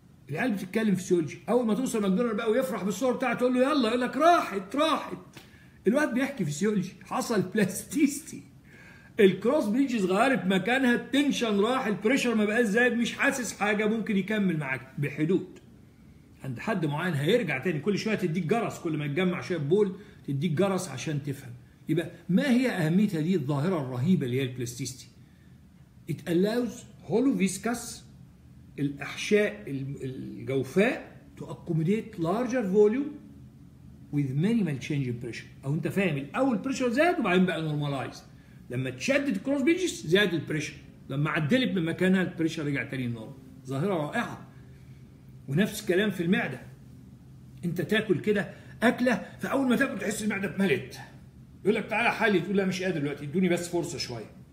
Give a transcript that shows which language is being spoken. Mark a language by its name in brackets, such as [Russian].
[Arabic] العيال بتتكلم في سيولوجي. اول ما توصل ماكدونالدز بقى ويفرح بالصور بتاعه تقول له يلا يقول لك راحت. الواد بيحكي في سيولوجي حصل بلاستيستي. الكروس بريدجز غيرت مكانها التنشن راح البريشر ما بقاش زايد مش حاسس حاجه ممكن يكمل معاك بحدود عند حد معين هيرجع تاني. كل شويه تديك جرس كل ما يتجمع شويه بول تديك جرس عشان تفهم. يبقى ما هي اهميه هذه الظاهره الرهيبه اللي هي البلاستيستي؟ [English] It allows hollow viscous [Arabic] الاحشاء الجوفاء [English] to accommodate larger volume with minimal change in pressure. [Arabic] او انت فاهم الاول البريشر زاد وبعدين بقى نورمالايز. لما تشدد كروس بيجز زاد البريشر، لما عدلت من مكانها البريشر رجع تاني النور. ظاهره رائعه. ونفس الكلام في المعده. انت تاكل كده اكله فاول ما تاكل تحس المعده اتملت. يقول لك تعالى حالي تقول لا مش قادر دلوقتي ادوني بس فرصه شويه.